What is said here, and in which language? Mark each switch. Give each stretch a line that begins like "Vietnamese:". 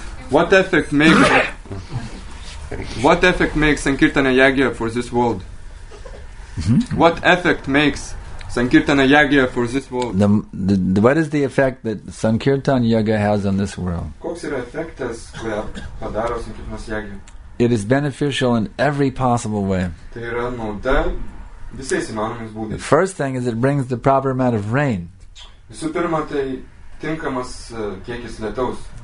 English: What effect makes What effect makes Sankirtana Yagya for this world? Mm-hmm. What effect makes Sankirtana Yagya for this world? The what is the effect that Sankirtana Yagya has on this world?
Lithuanian: Koks yra efektas, kurią padaro Sankirtanas Yagya?
English: It is beneficial in every possible way.
Lithuanian: Tai yra nauda visais įmanomis būdais.
English: The first thing is it brings the proper amount of rain.
Lithuanian: Visų pirma, tai tinkamas kiekis lietaus.